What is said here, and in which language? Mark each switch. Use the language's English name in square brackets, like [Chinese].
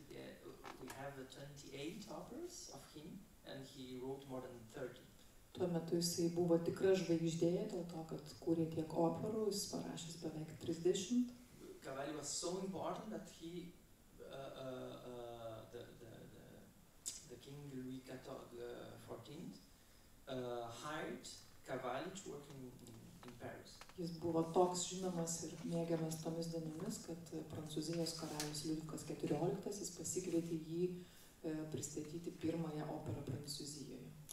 [English] We have 28 operas of him and he wrote more than 30. [Lithuanian] Tuo metu jisai buvo tikra žvaigždė, dėl to, kad kūrė tiek operų, jis parašęs beveik 30. [English] Cavalli was so important that he, the King Louis XIV, hired Cavalli to work in Paris. [Lithuanian] Jis buvo toks žinomas ir mėgiamas tomis dienomis, kad Prancūzijos karalius Liudvikas XIV pasikvietė jį pristatyti pirmąją operą Prancūzijoje.